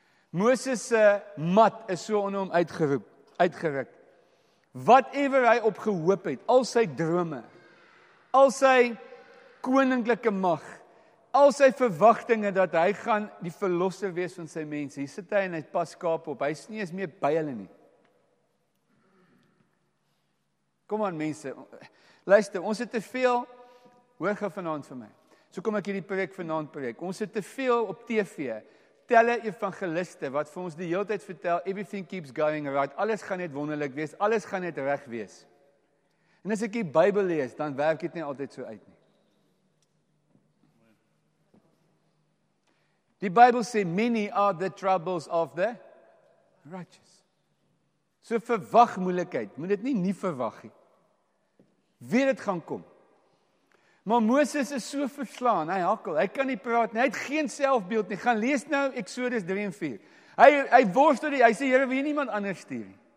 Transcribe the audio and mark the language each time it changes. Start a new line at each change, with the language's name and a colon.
Afrikaans: Moses se mat is so onder hom uitgeruk. Whatever hy opgehoop het, al sy drome, al sy koninklike mag, al sy verwagtinge dat hy gaan die verlosser wees van sy mense. Hier sit hy en hy pas skaap op. Hy is nie eens meer by hulle nie. Kom aan mense, luister, ons het te veel, hoor gou vanaand vir my. So kom ek hierdie preek vanaand preek. Ons het te veel op TV, telle evangeliste, wat vir ons die hele tyd vertel,
English: everything keeps going right,
Afrikaans: alles gaan net wonderlik wees, alles gaan net reg wees. En as ek die Bybel lees, dan werk dit nie altyd so uit nie. Die Bybel sê,
English: many are the troubles of the righteous.
Afrikaans: So verwag moeilikheid, moet dit nie verwag nie. Weet dit gaan kom. Maar Moses is so verslaan, hy hakkel, hy kan nie praat nie, hy het geen selfbeeld nie, gaan lees nou Exodus 3 en 4. Hy worstel die, hy sê, Here, wil jy niemand anders stuur nie?